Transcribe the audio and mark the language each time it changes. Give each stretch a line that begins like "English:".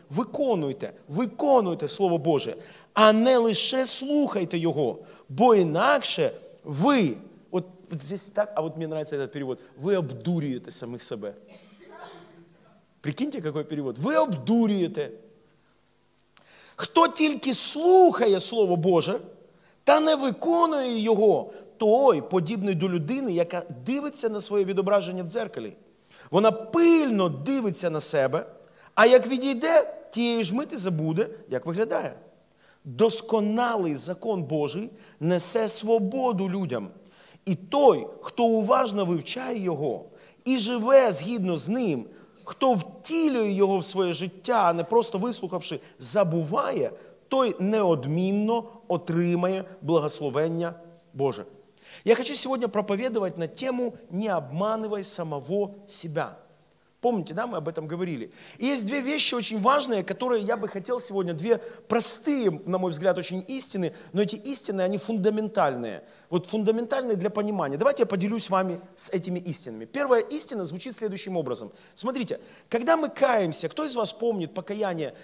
Ukrainian: Выконуйте Слово Божие, а не лише слухайте Его, бо інакше ви,
Russian: вот здесь так, а вот мне нравится этот перевод,
Ukrainian: вы обдурюете самих себе.
Russian: Прикиньте, какой перевод.
Ukrainian: Вы обдурюете. Хто тільки слухає Слово Боже, та не виконує його, той подібний до людини, яка дивиться на своє відображення в дзеркалі. Вона пильно дивиться на себе, а як відійде, тієї ж мити забуде, як виглядає. Досконалий закон Божий несе свободу людям. І той, хто уважно вивчає його і живе згідно з ним, хто втілює його в своє життя, а не просто вислухавши, забуває, той неодмінно отримає благословення Боже. Я хочу сьогодні проповідувати на тему
Russian: «Не обманывай самого себя». Помните, да, мы об этом говорили. И есть две вещи очень важные, которые я бы хотел сегодня, две простые, на мой взгляд, очень истины, но эти истины, они фундаментальные. Вот фундаментальные для понимания. Давайте я поделюсь с вами с этими истинами. Первая истина звучит следующим образом. Смотрите, когда мы каемся, кто из вас помнит покаяние?